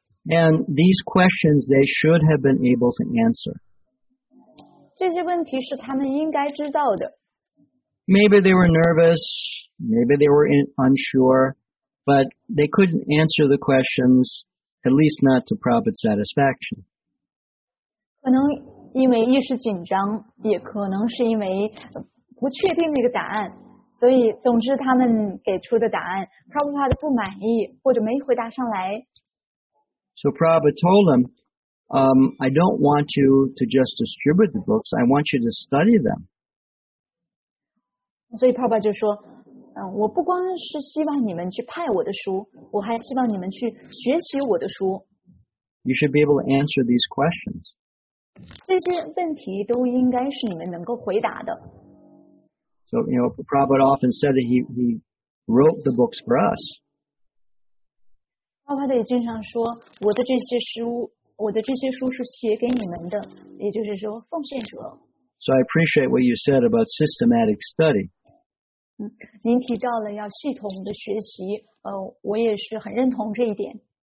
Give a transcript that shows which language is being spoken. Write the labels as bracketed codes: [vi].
[en] And these questions they should have been able to answer. [zh] 这些问题是他们应该知道的。 [en] Maybe they were nervous, maybe they were unsure. But they couldn't answer the questions, at least not to Prabhupada's satisfaction. [zh] 可能因为一时紧张，也可能是因为不确定那个答案，所以总之他们给出的答案 Prabhupada 不满意或者没回答上来。 [en] So Prabhupada told them, I don't want you to just distribute the books, I want you to study them. [zh] 所以 Prabhupada 就说我不光是希望你们去派我的书，我还希望你们去学习我的书。 [en] You should be able to answer these questions. [zh] 这些问题都应该是你们能够回答的。 [en] So, you know, Prabhupada often said that he wrote the books for us. [zh] Prabhupada 也经常说，我的这些书是写给你们的，也就是说奉献者。 [en] So I appreciate what you said about systematic study. [zh] 您提到了要系统的学习，我也是很认同这一点。